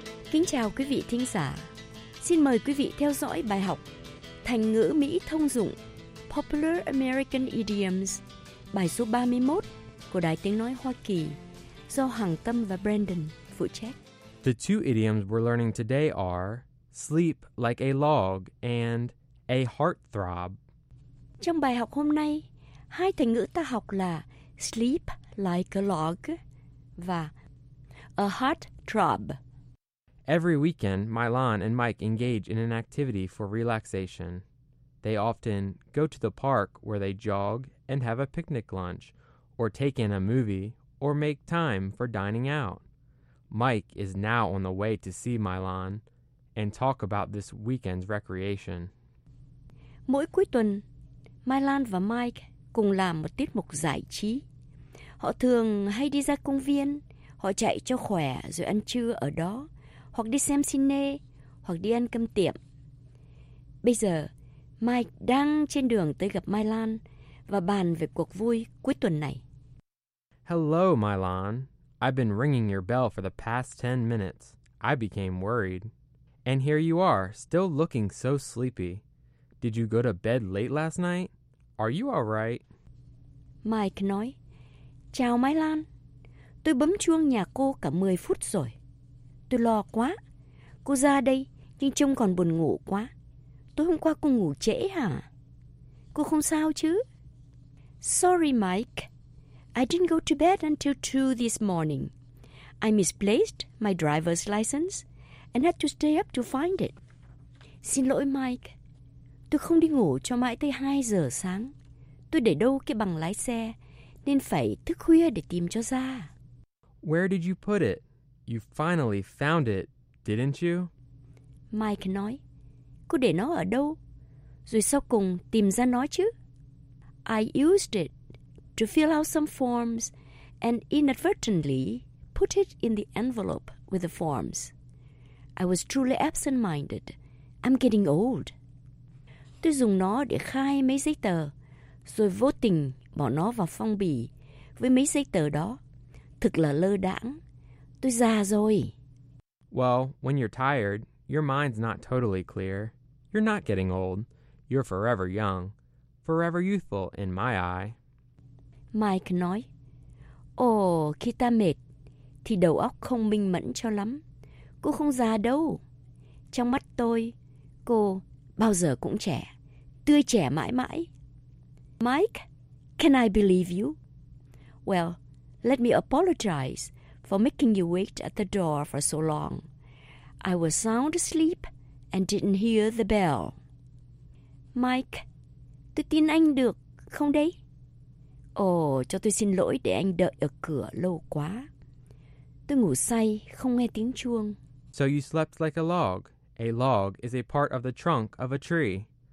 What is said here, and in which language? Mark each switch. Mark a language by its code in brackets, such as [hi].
[vi] Kính chào quý vị thính giả. Xin mời quý vị theo dõi bài học Thành ngữ Mỹ thông dụng Popular American Idioms, bài số 31 của Đài Tiếng Nói Hoa Kỳ do Hằng Tâm và Brandon phụ trách. [en] The two idioms we're learning today are sleep like a log and a heartthrob. [vi] Trong bài học hôm nay, hai thành ngữ ta học là [en] sleep like a log [vi] và a heartthrob. [en] Every weekend, Mylon and Mike engage in an activity for relaxation. They often go to the park where they jog and have a picnic lunch, or take in a movie, or make time for dining out. Mike is now on the way to see Mylon and talk about this weekend's recreation. [vi] Mỗi cuối tuần, Mylon và Mike cùng làm một tiết mục giải trí. Họ thường hay đi ra công viên, họ chạy cho khỏe rồi ăn trưa ở đó. Hoặc đi xem cine, hoặc đi ăn cơm tiệm. Bây giờ, Mike đang trên đường tới gặp Mylon và bàn về cuộc vui cuối tuần này. [en] Hello, Mylon. I've been ringing your bell for the past 10 minutes. I became worried. And here you are, still looking so sleepy. Did you go to bed late last night? Are you all right? [vi] Mike nói, Chào Mylon. Tôi bấm chuông nhà cô cả 10 phút rồi. Tôi lo quá. Cô ra đây, nhưng trông còn buồn ngủ quá. Tối hôm qua cô ngủ trễ hả? Cô không sao chứ? [en] Sorry, Mike. I didn't go to bed until 2 this morning. I misplaced my driver's license and had to stay up to find it. [vi] Xin lỗi, Mike. Tôi không đi ngủ cho mãi tới 2 giờ sáng. Tôi để đâu cái bằng lái xe, nên phải thức khuya để tìm cho ra. [en] Where did you put it? You finally found it, didn't you? [vi] Mike nói, cô để nó ở đâu? Rồi sau cùng tìm ra nó chứ? [en] I used it to fill out some forms and inadvertently put it in the envelope with the forms. I was truly absent-minded. I'm getting old. Tôi dùng nó để khai mấy giấy tờ, rồi vô tình bỏ nó vào phong bì với mấy giấy tờ đó. Thực là lơ đãng. Tôi già rồi. Well, when you're tired, your mind's not totally clear. You're not getting old. You're forever young. Forever youthful in my eye. [vi] Mike nói, Ồ, khi ta mệt, thì đầu óc không minh mẫn cho lắm. Cô không già đâu. Trong mắt tôi, cô bao giờ cũng trẻ. Tươi trẻ mãi mãi. [en] Mike, can I believe you? Well, let me apologize for making you wait at the door for so long. I was sound asleep and didn't hear the bell. [vi] Mike, tôi tin anh được, không đấy? Ồ, cho tôi xin lỗi để anh đợi ở cửa lâu quá. Tôi ngủ say, không nghe tiếng chuông. [en] So you slept like a log. A log is a part of the trunk of a tree.